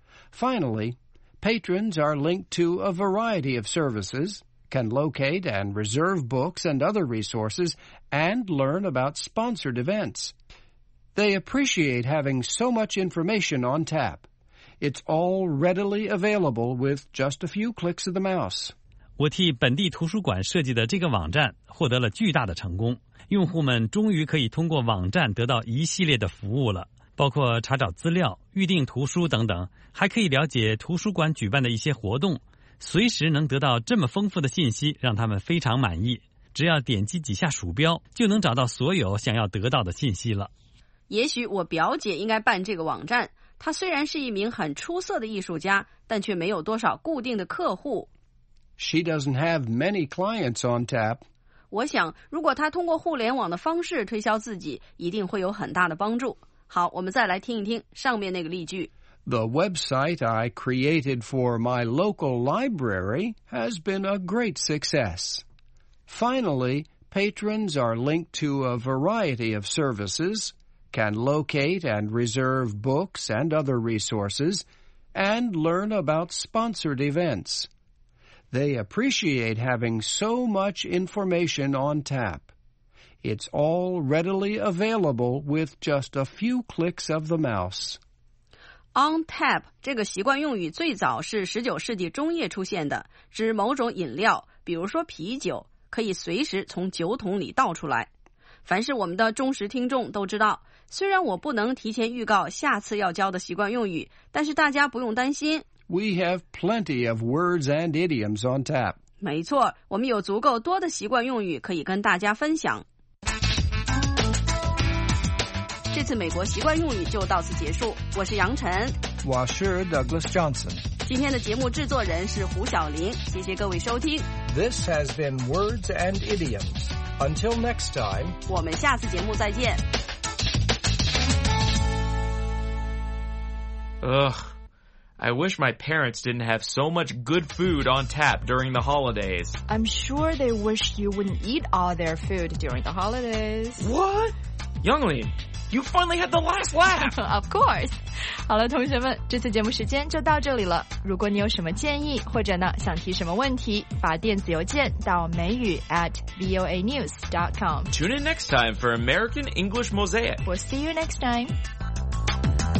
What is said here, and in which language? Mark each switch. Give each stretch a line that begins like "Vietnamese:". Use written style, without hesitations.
English: Finally, patrons are linked to a variety of services, can locate and reserve books and other resources, and learn about sponsored events. They appreciate having so much information on tap. It's all readily available with just a few clicks of the mouse.
Chinese: 我替本地图书馆设计的这个网站获得了巨大的成功。用户们终于可以通过网站得到一系列的服务了，包括查找资料、预订图书等等，还可以了解图书馆举办的一些活动，随时能得到这么丰富的信息，让他们非常满意。只要点击几下鼠标，就能找到所有想要得到的信息了。也许我表姐应该办这个网站，她虽然是一名很出色的艺术家，但却没有多少固定的客户。
English: She doesn't have many clients on tap.
Chinese: 我想，如果她通过互联网的方式推销自己，一定会有很大的帮助。好，我们再来听一听上面那个例句。
English: The website I created for my local library has been a great success. Finally, patrons are linked to a variety of services. Can locate and reserve books and other resources, and learn about sponsored events. They appreciate having so much information on tap. It's all readily available with just a few clicks of the mouse. On tap
Chinese: 这个习惯用语最早是19世纪中叶出现的，指某种饮料，比如说啤酒，可以随时从酒桶里倒出来。凡是我们的忠实听众都知道，虽然我不能提前预告下次要教的习惯用语，但是大家不用担心。
English: We have plenty of words and idioms on tap.
Chinese: 没错，我们有足够多的习惯用语可以跟大家分享。这次美国习惯用语就到此结束，我是杨晨。我是 Douglas Johnson。今天的节目制作人是胡晓琳，谢谢各位收听。
English: This has been Words and Idioms. Until next time.
Chinese: 我们下次节目再见。
English: Ugh, I wish my parents didn't have so much good food on tap during the holidays. I'm sure they wish you wouldn't eat all their food during the holidays. What? Younglin, you finally had the last laugh! Of course!
Chinese: 好了，同学们，这次节目时间就到这里了。如果你有什么建议，或者呢，想提什么问题，发电子邮件到美语@voanews.com.
English: Tune in next time for American English Mosaic. We'll see you next time.